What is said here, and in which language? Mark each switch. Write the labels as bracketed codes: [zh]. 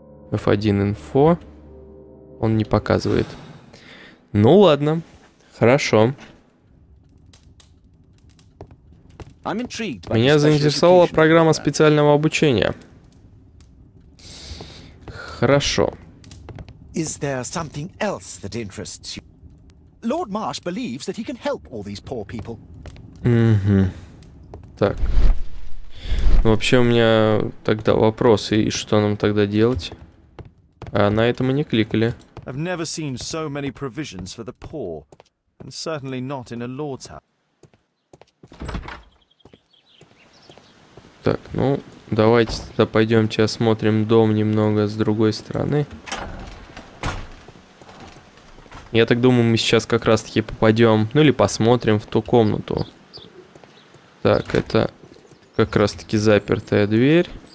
[ru] F1 инфо. Он не показывает. Ну ладно, хорошо. Меня заинтересовала программа специального обучения. Хорошо. [en] Is there something else that interests you? Lord Marsh believes that he can help all these poor people. [ru] Угу. Так. Ну, вообще у меня тогда вопрос, и что нам тогда делать? А на это мы не кликали. [en] I've never seen so many provisions for the poor, and certainly not in a lord's house. [ru] Так, ну, давайте тогда пойдемте осмотрим дом немного с другой стороны. Я так думаю, мы сейчас как раз-таки попадем, ну или посмотрим в ту комнату. Так, это как раз-таки запертая дверь.